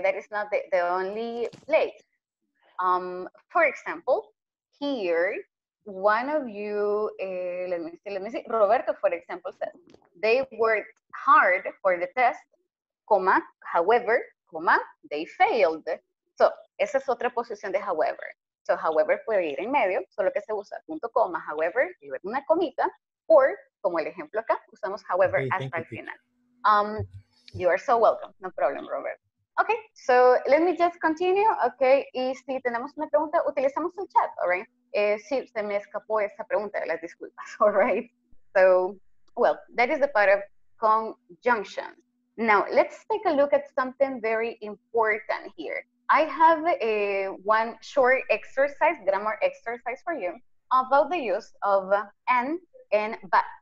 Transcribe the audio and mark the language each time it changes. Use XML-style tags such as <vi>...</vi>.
<en>That is not the only place. For example, here, one of you, let me see, Roberto, for example, says, they worked hard for the test, comma, however, comma, they failed.</en> <es>So, esa es otra posición de however. So, however puede ir en medio, solo que se usa punto, comma, however, y una comita, or, como el ejemplo acá, usamos however hasta el final.</es> <en>You are so welcome. No problem, Robert. Okay, so let me just continue.</en> <es>Okay, y si tenemos una pregunta, utilizamos el chat,</es> <en>all right?</en> <es>Si se me escapó esa pregunta, las disculpas,</es> <en>all right? So, well, that is the part of conjunction. Now, let's take a look at something very important here. I have one short exercise, grammar exercise for you, about the use of and but.</en>